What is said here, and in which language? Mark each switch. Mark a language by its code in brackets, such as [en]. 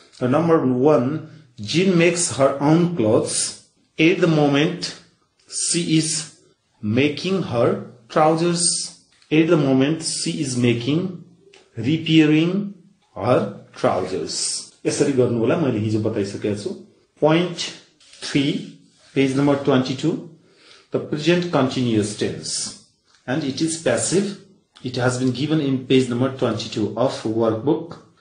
[en] Number 1 Jin makes her own clothes at the moment she is making her trousers at the moment she is making repairing her trousers. [ne] यसरी गर्नु होला मैले हिजो बताइसकेको छु. [en] Point 3 page number 22 the present continuous tense and it is passive it has been given in page number 22 of workbook.